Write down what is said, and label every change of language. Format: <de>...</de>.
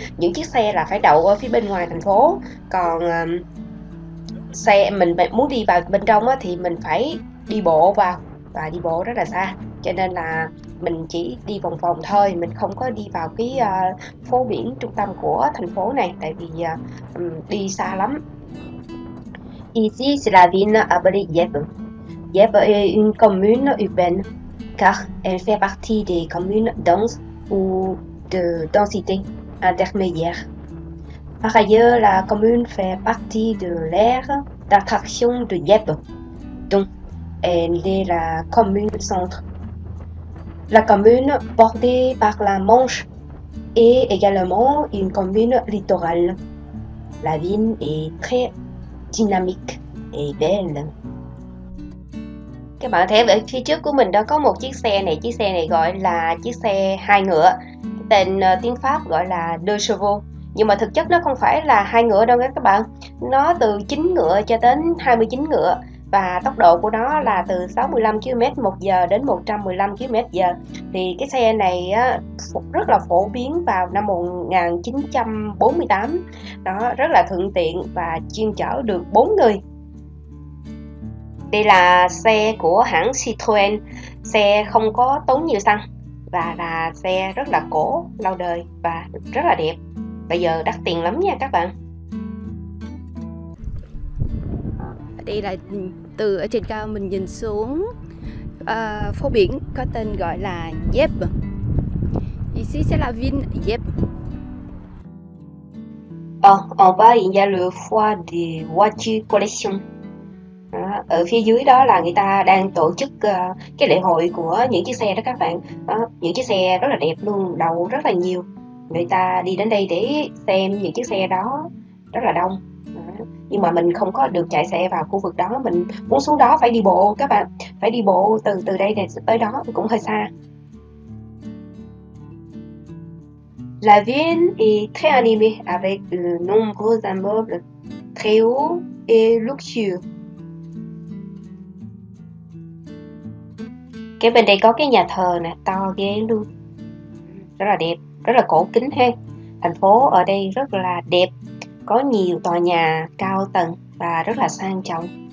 <vi>Những chiếc xe là phải đậu ở phía bên ngoài thành phố. Còn xe mình muốn đi vào bên trong á, thì mình phải đi bộ vào, và đi bộ rất là xa, cho nên là mình chỉ đi vòng vòng thôi, mình không có đi vào cái phố biển trung tâm của thành phố này, tại vì đi xa lắm.</vi> <fr>Ici, c'est la ville appelée Dieppe. Dieppe est une commune urbaine, car elle fait partie des communes denses ou de densité intermédiaire. Par ailleurs, la commune fait partie de l'aire d'attraction de Dieppe, dont elle est la commune centre. La commune, bordée par la Manche, est également une commune littorale. La ville est très dynamique et belle.</fr> <vi>Các bạn thấy ở phía trước của mình đó có một chiếc xe này gọi là chiếc xe hai ngựa, tên tiếng Pháp gọi là deux chevaux, nhưng mà thực chất nó không phải là hai ngựa đâu các bạn, nó từ 9 ngựa cho đến 29 ngựa, và tốc độ của nó là từ 65 km một giờ đến 115 km giờ. Thì cái xe này á, rất là phổ biến vào năm 1948 đó, rất là thuận tiện và chuyên chở được 4 người. Đây là xe của hãng Citroën, xe không có tốn nhiều xăng và là xe rất là cổ, lâu đời và rất là đẹp. Bây giờ đắt tiền lắm nha các bạn. Đây là từ ở trên cao mình nhìn xuống phố biển có tên gọi là Dieppe.</vi> <fr>Ici c'est la ville Dieppe. En bas, il y a le foie des voitures collection.</fr> <vi>Ở phía dưới đó là người ta đang tổ chức cái lễ hội của những chiếc xe đó các bạn. Đó, những chiếc xe rất là đẹp luôn, đậu rất là nhiều. Người ta đi đến đây để xem những chiếc xe đó rất là đông. Đó. Nhưng mà mình không có được chạy xe vào khu vực đó, mình muốn xuống đó phải đi bộ các bạn. Phải đi bộ từ từ đây để tới đó cũng hơi xa.</vi> <fr>La ville est très animée avec de nombreux immeubles très hauts et luxueux.</fr> <vi>Cái bên đây có cái nhà thờ nè, to ghê luôn. Rất là đẹp, rất là cổ kính ha. Thành phố ở đây rất là đẹp, có nhiều tòa nhà cao tầng và rất là sang trọng.</vi>